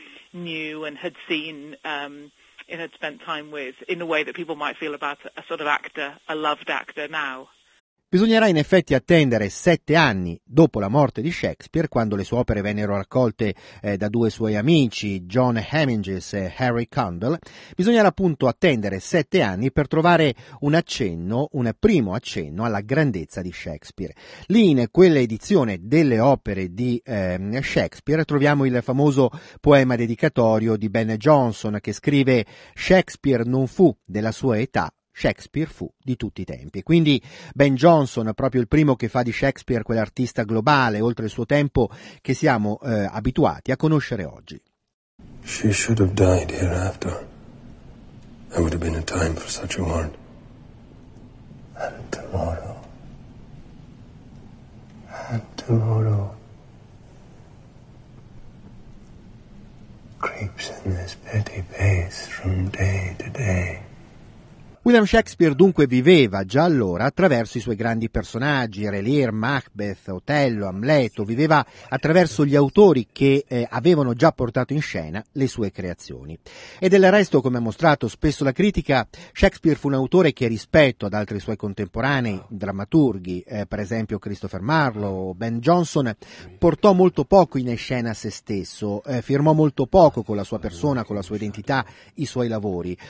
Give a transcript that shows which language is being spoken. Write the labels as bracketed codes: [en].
[en] Knew and had seen and had spent time with in a way that people might feel about a sort of actor, a loved actor now. [it] Bisognerà in effetti attendere 7 anni dopo la morte di Shakespeare, quando le sue opere vennero raccolte da 2 suoi amici, John Heminges e Harry Condell. Bisognerà appunto attendere 7 anni per trovare un accenno, un primo accenno alla grandezza di Shakespeare. Lì, in quella edizione delle opere di Shakespeare, troviamo il famoso poema dedicatorio di Ben Jonson, che scrive: Shakespeare non fu della sua età, Shakespeare fu di tutti i tempi. Quindi Ben Jonson, proprio il primo che fa di Shakespeare quell'artista globale oltre il suo tempo che siamo abituati a conoscere oggi. [en] She should have died hereafter. There would have been a time for such a word. And tomorrow creeps in this petty pace from day to day. [it] William Shakespeare dunque viveva già allora attraverso i suoi grandi personaggi, Re Lear, Macbeth, Otello, Amleto, viveva attraverso gli autori che avevano già portato in scena le sue creazioni. E del resto, come ha mostrato spesso la critica, Shakespeare fu un autore che, rispetto ad altri suoi contemporanei drammaturghi, per esempio Christopher Marlowe o Ben Jonson, portò molto poco in scena se stesso, firmò molto poco con la sua persona, con la sua identità, i suoi lavori.